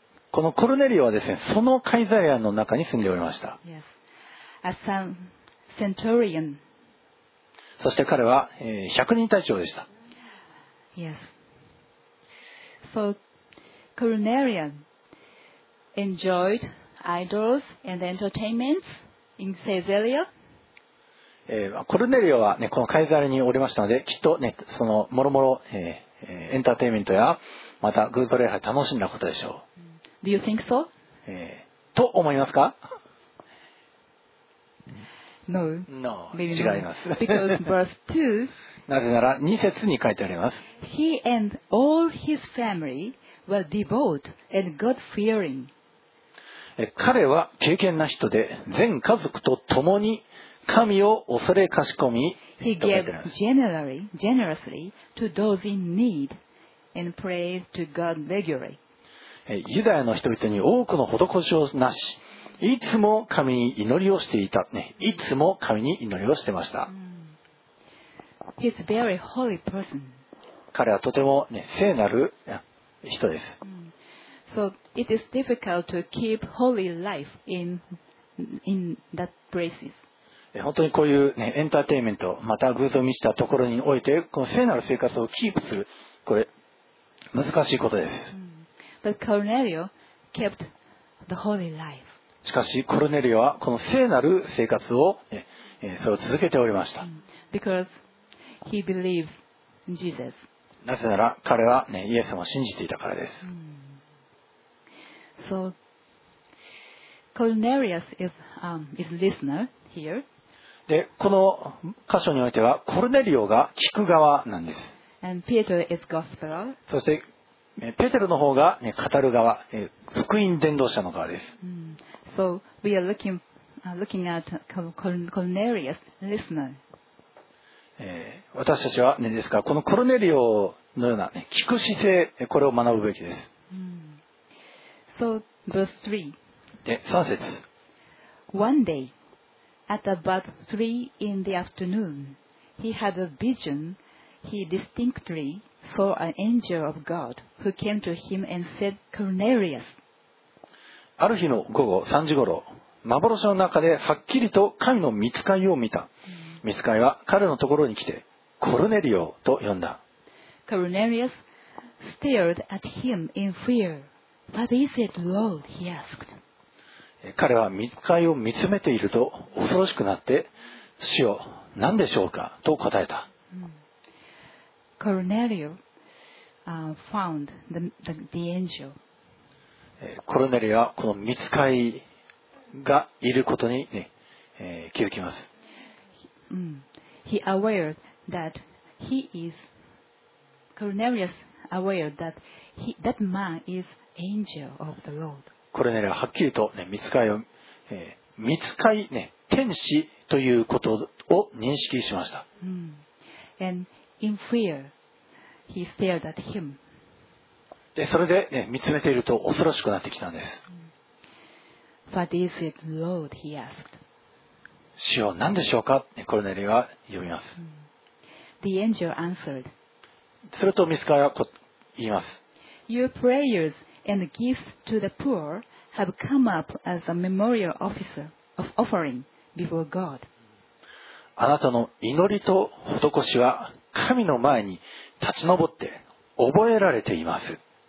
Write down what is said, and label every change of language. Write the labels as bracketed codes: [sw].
[ja] このコルネリオはですね、そのカイザリアの中に住んでおりました。 [en] Yes. A centurion. [ja] そして彼は百人隊長でした。 Yes. [en] So, Cornelius enjoyed idols and entertainments in Caesarea. [ja] コルネリオは、ね、このカイザリアにおりましたので、きっと、ね、そのもろもろエンターテインメントやまたグーズ礼拝楽しんだことでしょう。 [en] Do you think so? [ja] と思いますか？ [en] No. [ja] No. 違います。 [en] Because verse 2, [ja] なぜなら2節に書いてあります。 [en] He and all his family were devout and God-fearing. [ja] 彼は敬虔な人で全家族と共に神を恐れかしこみ、 [en] He gave generously to those in need and prayed to God regularly. [ja] ユダヤの人々に多くの施しをなし、いつも神に祈りをしていた、ね、いつも神に祈りをしてました。 [en] He's a very holy person. [ja] 彼はとても、ね、聖なる人です。 [en] So it is difficult to keep holy life in that places. [ja] 本当にこういう、ね、エンターテインメント、また偶像を満ちたところにおいて、この聖なる生活をキープする、これ、難しいことです。 [en] But Cornelio kept the holy life. [ja] しかし、コルネリオはこの聖なる生活を、ね、それを続けておりました。 [en] Because he believes in Jesus. [ja] なぜなら、彼は、ね、イエス様を信じていたからです。 [en] So, Cornelius is a listener here. [ja] でこの箇所においてはコルネリオが聞く側なんです。 [en] And Peter is gospel. [ja] そしてペテロの方が、ね、語る側、福音伝道者の側です。 [en] So we are looking at Cornelius, listener. [ja] 私たちは、ね、ですからこのコルネリオのような、ね、聞く姿勢、これを学ぶべきです。 [en] So verse 3. [ja] で3節。 [en] One dayAt about three in the afternoon, he had a vision. He distinctly saw an angel of God who came to him and said, Cornelius. [ja] ある日の午後3時ごろ、幻の中ではっきりと神の御使いを見た。御使いは彼のところに来て、コルネリオと呼んだ。 [en] Cornelius stared at him in fear. What is it, Lord? He asked. [ja] 彼は御使いを見つめていると恐ろしくなって、主よ、何でしょうかと答えた。 [en] コルネリオ found the angel. [ja] コルネリオはこの御使いがいることに、ね、気づきます。 [en] He aware that he is Cornelius aware that he that man is angel of the Lord. [ja] コルネリオははっきりと、ね、見つかいを、見つかい、ね、天使ということを認識しました。 [en] And in fear, he stared at him. [ja] でそれで、ね、見つめていると恐ろしくなってきたんです。 [en] What is it, Lord? He asked. [ja] 主よ、何でしょうか、ね、コルネリオは呼びます。 [en] The angel answered. [ja] すると見つかいは言います。 [en] Your prayers. And gifts to the poor have come up as a memorial offering before God. [ja] あなたの祈りと施しは神の前に立ち上って覚えられています。